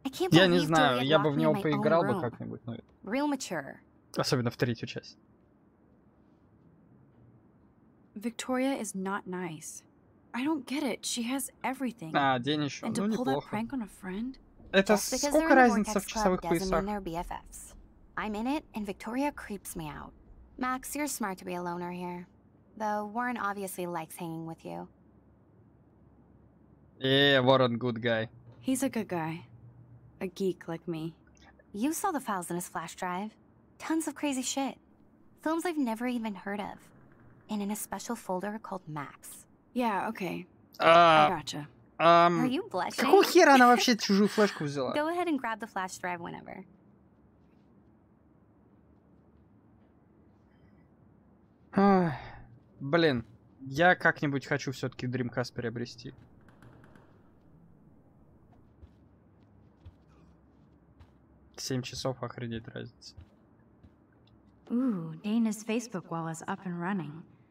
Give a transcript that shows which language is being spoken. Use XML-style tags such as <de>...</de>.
<ru>Я не знаю, я бы в него поиграл бы как-нибудь. Но...</ru> <en>Real mature.</en> <ru>Особенно в третью часть.</ru> <en>Victoria is not nice. I don't get it. She has everything.</en> <ru>А, день еще.</ru> <en>And to</en> <ru>ну,</ru> <en>pull</en> <ru>неплохо.</ru> <en>That prank on a friend?</en> <ru>Это сколько разница в часовых поясах?</ru> <en>I'm in it, and Victoria creeps me out. Max, you're smart to be a loner here. Though Warren obviously likes hanging with you. Yeah, Warren, good guy. He's a good guy. A geek like me. You saw the files in his flash drive. Tons of crazy shit. Films I've never even heard of. And in a special folder called Max. Yeah, okay. I gotcha. Are you blushing?</en> <ru>Какого хера она вообще чужую флешку взяла?</ru> <en>Go ahead and grab the flash drive whenever.</en> <ru>Блин, я как-нибудь хочу все-таки Dreamcast приобрести. Семь часов, охренеть разница.</ru> <en>Ooh, Dana's Facebook wall is up and running.</en>